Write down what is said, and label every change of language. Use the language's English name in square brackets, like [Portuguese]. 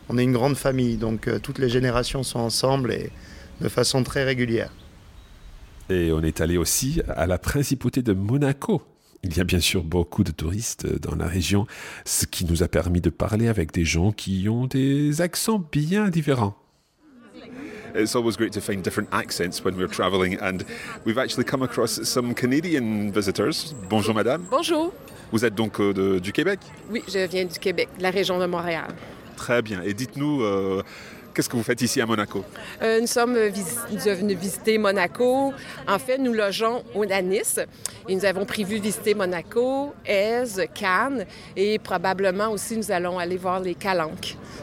[French] On est une grande famille, donc toutes les générations sont ensemble et de façon très régulière. Et on est allé aussi à la principauté de Monaco. Il y a bien sûr beaucoup de touristes dans la région, ce qui nous a permis de parler avec des gens qui ont des accents bien différents. [English] It's always great to find different accents when we're traveling, and we've actually come across some Canadian visitors. [French] Bonjour, madame. Bonjour. Vous êtes donc du Québec? Oui, je viens du Québec, la région de Montréal. Très bien. Et dites-nous, qu'est-ce que vous faites ici à Monaco? Nous sommes venus visiter Monaco. En fait, nous logeons au Nanis et nous avons prévu visiter Monaco, Aise, Cannes et probablement aussi nous allons aller voir les Calanques.